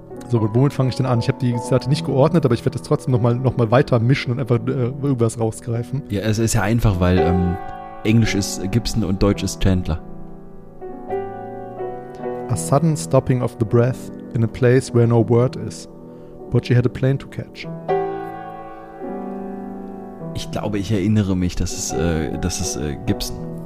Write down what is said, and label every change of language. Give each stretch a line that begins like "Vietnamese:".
German: So, mit womit fange ich denn an? Ich habe die Seite nicht geordnet, aber ich werde das trotzdem nochmal weiter mischen und einfach irgendwas rausgreifen. Ja, es ist ja einfach, weil Englisch ist Gibson und Deutsch ist Chandler.
English: A sudden stopping of the breath in a place where no word is. But she had a plane to catch.
German: Ich glaube, ich erinnere mich, dass es Gibson.